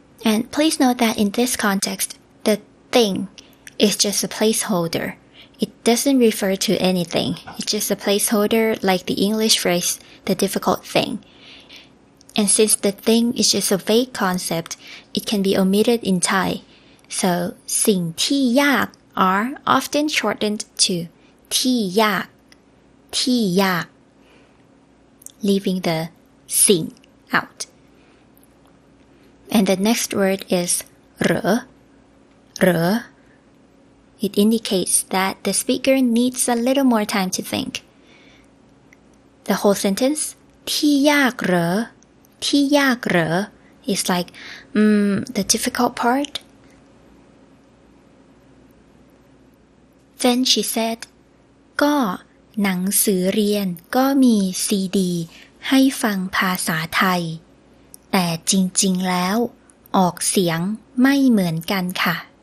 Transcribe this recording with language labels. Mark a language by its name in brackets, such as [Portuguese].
[English] and please note that in this context the thing is just a placeholder it doesn't refer to anything it's just a placeholder like the English phrase the difficult thingAnd since the thing is just a vague concept, it can be omitted in Thai. So, สิ่งที่ยาก are often shortened to ที่ยากที่ยาก leaving the สิ่ง out. And the next word is เหรอเหรอ It indicates that the speaker needs a little more time to think. The whole sentence, ที่ยากเหรอที่ยากเหรอ is like the difficult part. Then she said, [Thai] ก็หนังสือเรียนก็มีซีดีให้ฟังภาษาไทยแต่จริงๆแล้วออกเสียงไม่เหมือนกันค่ะ